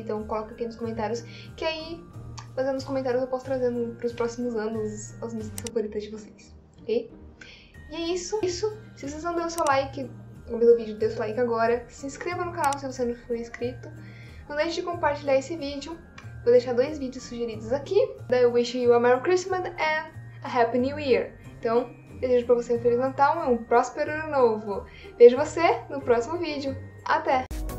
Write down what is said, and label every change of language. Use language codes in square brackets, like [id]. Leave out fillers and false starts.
[pt] Então coloca aqui nos comentários, que aí... Fazendo nos comentários, eu posso trazer para os próximos anos as músicas favoritas de vocês, ok? E é isso. Se vocês não deram seu like no meu vídeo, dê seu like agora. Se inscreva no canal se você não for inscrito. Não deixe de compartilhar esse vídeo. Vou deixar dois vídeos sugeridos aqui. [en] I wish you a Merry Christmas and a Happy New Year. [pt] Então, desejo pra você um Feliz Natal e um próspero ano novo. Vejo você no próximo vídeo. Até!